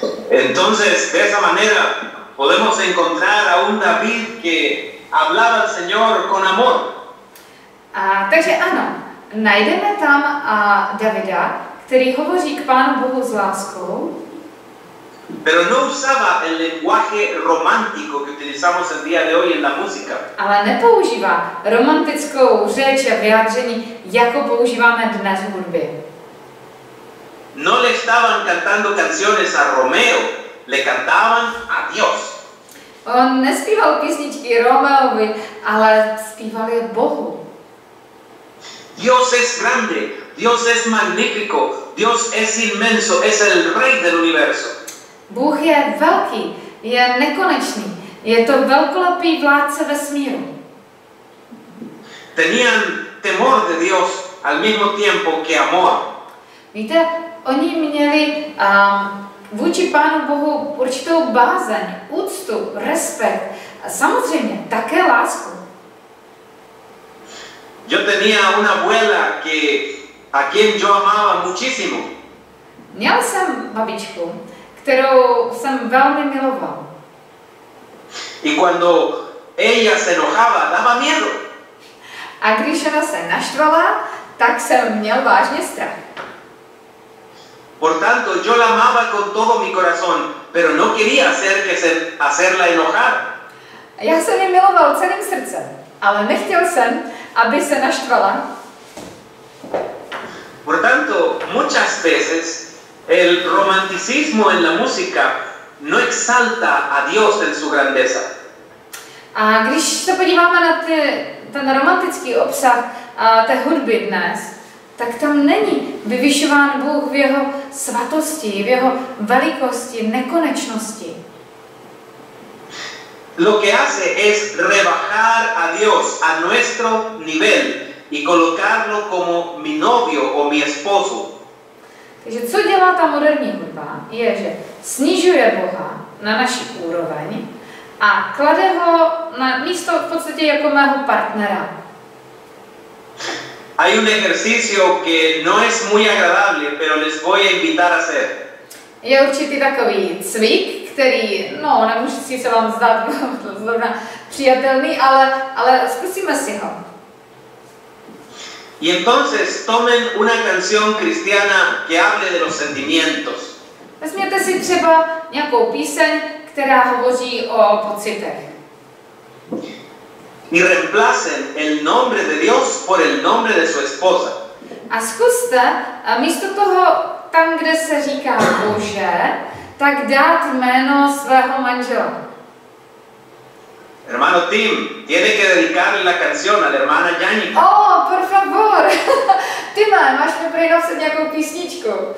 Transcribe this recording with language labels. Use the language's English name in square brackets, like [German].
[Spanish] Entonces, de esa manera, podemos encontrar a un David que hablaba al Señor con amor. [Czech] Takže ano, najdeme tam Davida, který hovoří k Pánu Bohu s láskou. [Spanish] Pero no usaba el lenguaje romántico que utilizamos el día de hoy en la música. [Czech] Ale nepoužívá romantickou řeč a vyjádření, jako používáme dnes v hudbě. [Spanish] No le estaban cantando canciones a Romeo, le cantaban a Dios. [Czech] On nespíval písničky Romeovi, ale zpíval je Bohu. [Spanish] Dios es grande, Dios es magnífico, Dios es inmenso, es el rey del universo. [Czech] Bůh je velký, je nekonečný, je to velkolepý vládce vesmíru. [Spanish] Tenían temor de Dios al mismo tiempo que amor. [Czech] Víte, oni měli vůči Pánu Bohu určitou bázeň, úctu, respekt a samozřejmě také lásku. [Spanish] Yo tenía una abuela que a quien yo amaba muchísimo. [Czech] Měl jsem babičku, kterou jsem velmi miloval. [Spanish] Y cuando ella se enojaba, daba miedo. [Czech] A když ona se naštvala, tak jsem měl vážně strach. [Spanish] Por tanto, yo la amaba con todo mi corazón, pero no quería hacerla enojar. [Czech] Já jsem ji miloval celým srdcem, ale nechtěl jsem, aby se naštvala. [Spanish] Por tanto, muchas veces el romanticismo en la música no exalta a Dios en su grandeza. [Czech] A když se podíváme na ten romantický obsah té hudby dnes, tak tam není vyvyšován Bůh v jeho svatosti, v jeho velikosti, nekonečnosti. [Spanish] Lo que hace es rebajar a Dios a nuestro nivel y colocarlo como mi novio o mi esposo. [Czech] Takže co dělá ta moderní hudba, je, že snižuje Boha na naši úroveň a klade ho na místo v podstatě jako mého partnera. [Spanish] Hay un ejercicio que no es muy agradable, pero les voy a invitar a hacer. [Czech] Je určitý takový cvik, který, no, nemůžu si se vám zdát zrovna přijatelný, ale zkusíme si ho. [Spanish] Y entonces tomen una canción cristiana que hable de los sentimientos. [Czech] Vezměte si třeba nějakou píseň, která hovoří o pocitech. [Spanish] Y reemplacen el nombre de Dios por el nombre de su esposa. [Czech] A zkuste místo toho, tam kde se říká Bože, tak dát jméno svého manžela. [Spanish] Hermano Tim, tiene que dedicarle la canción a la hermana Yannika. Oh, por favor. [Czech] Tim, máš mi přinést nějakou písničku.